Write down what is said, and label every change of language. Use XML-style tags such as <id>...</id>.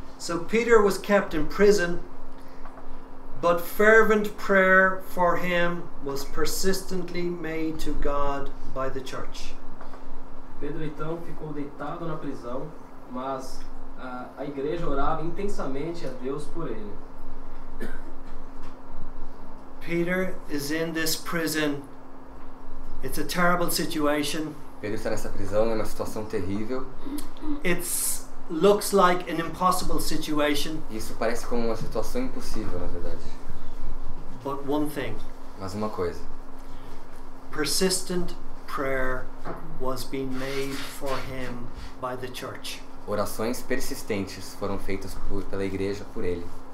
<en>So Peter was kept in prison, but fervent prayer for him was persistently made to God by the church.</en> <pt>Pedro então ficou deitado na prisão, mas a igreja orava intensamente a Deus por ele.</pt> <en>Peter is in this prison. It's a terrible situation.</en> <pt>Pedro está nessa prisão, é uma situação terrível.</pt> <en>It's looks like an impossible situation.</en> <pt>Isso parece como uma situação impossível, na verdade.</pt> <en>But one thing.</en> <pt>Mas uma coisa.</pt> <en>Persistent prayer was being made for him by the church.</en> <pt>Orações persistentes foram feitas pela igreja por ele.</pt>